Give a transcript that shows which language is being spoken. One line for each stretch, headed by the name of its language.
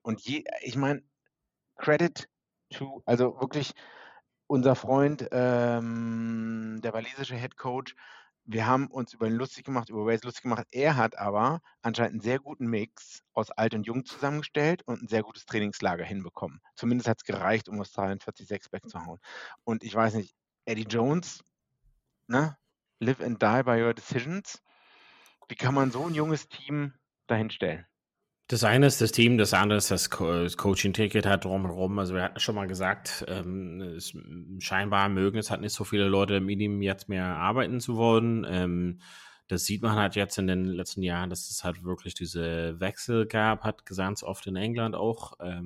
German: Und ich meine,
English: Credit to,
German: also wirklich unser Freund, der walisische Head Coach, wir haben uns über ihn lustig gemacht, über Wales lustig gemacht. Er hat aber anscheinend einen sehr guten Mix aus Alt und Jung zusammengestellt und ein sehr gutes Trainingslager hinbekommen. Zumindest hat es gereicht, um Australien 46 wegzuhauen. Und ich weiß nicht, Eddie Jones, ne?
English: Live and die by your decisions.
German: Wie kann man so ein junges Team dahinstellen? Das eine ist das Team, das andere ist das Coaching-Ticket hat drumherum. Also wir hatten schon mal gesagt, scheinbar mögen es halt nicht so viele Leute im Team jetzt mehr arbeiten zu wollen. Das sieht man halt jetzt in den letzten Jahren, dass es halt wirklich diese Wechsel gab, hat ganz oft in England auch.